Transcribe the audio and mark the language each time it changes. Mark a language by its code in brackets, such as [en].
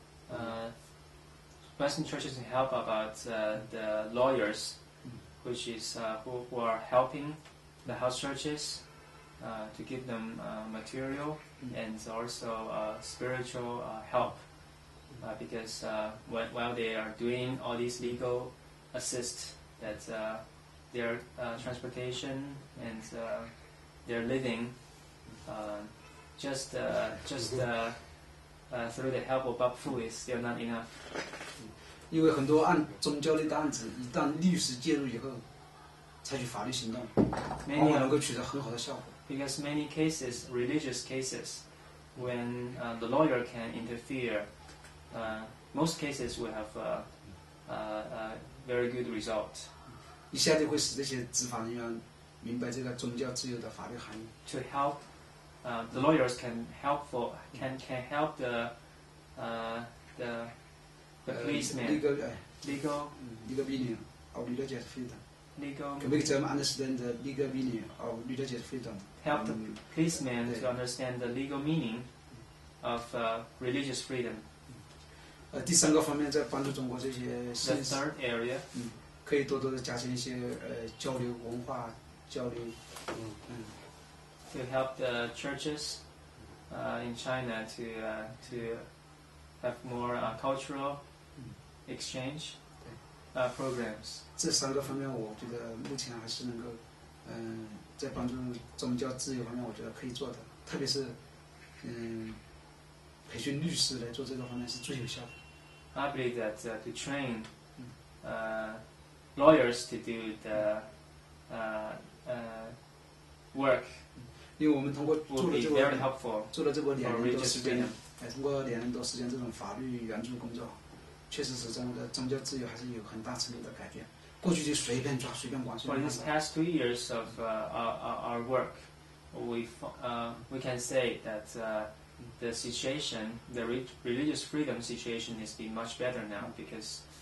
[en] Second, Western churches can help about the lawyers, which is who are helping the house churches to give them material and also spiritual help, because while they are doing all these legal assist that. Their transportation and their living, through the help of Bob Fu is still not enough. [zh] 因为很多案宗教类的案子，一旦律师介入以后，采取法律行动，往往能够取得很好的效果。 [en] Because many cases, religious cases, when the lawyer can interfere, most cases will have a very good result. [zh] 一下就会使这些执法人员明白这个宗教自由的法律含义。 [en] To help, the lawyers can help the policeman. Legal meaning of religious freedom. Legal. Make them understand the legal meaning of religious freedom. Help the policeman to understand the legal meaning of religious freedom. [zh] 第三个方面，在帮助中国这些。 [en] The third area. [zh] 可以多多的加深一些交流文化交流， [en] To help the churches, in China to have more cultural exchange, programs. [zh] 这三个方面，我觉得目前还是能够，在帮助宗教自由方面，我觉得可以做的。特别是，培训律师来做这个方面是最有效的。 [en] I believe that to train, lawyers to do the work. [zh] 因为我们通过做了这个 [en] very helpful, [zh] 做了这么两年多时间，通过两年多时间这种法律援助工作，确实使中国的宗教自由还是有很大程度的改变。过去就随便抓随便管。 [en] For these past 2 years of our work, we can say that the situation, the religious freedom situation, has been much better now because.